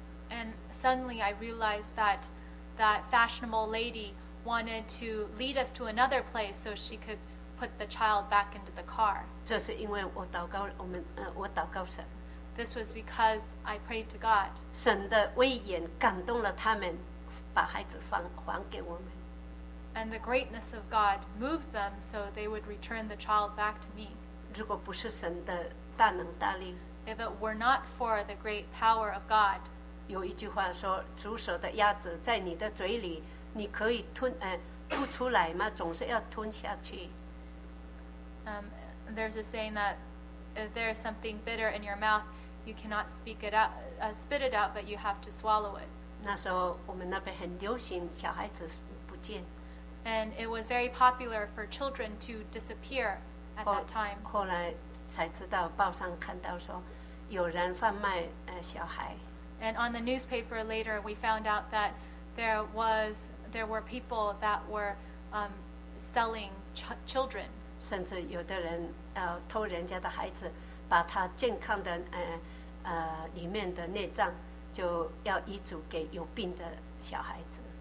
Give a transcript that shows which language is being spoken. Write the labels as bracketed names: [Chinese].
[English] And suddenly I realized that fashionable lady wanted to lead us to another place so she could put the child back into the car. [Chinese] 这是因为我祷告，我祷告神。 [English] This was because I prayed to God. [Chinese] 神的威严感动了他们，把孩子还给我们。 [English] And the greatness of God moved them so they would return the child back to me. [Chinese] 如果不是神的大能大力, [English] if it were not for the great power of God, [Chinese] 有一句话说, 主手的鸭子在你的嘴里, 你可以吞, 吐出来嘛，总是要吞下去。 [English] There's a saying that if there is something bitter in your mouth, you cannot spit it out, but you have to swallow it. [Chinese] 那时候我们那边很流行，小孩子不见。 [English] And it was very popular for children to disappear at that time. [Chinese] 后来才知道，报上看到说有人贩卖小孩。 [English] And on the newspaper later, we found out that there were people that were selling children. [Chinese] 甚至有的人偷人家的孩子，把他健康的里面的内脏就要移植给有病的小孩子。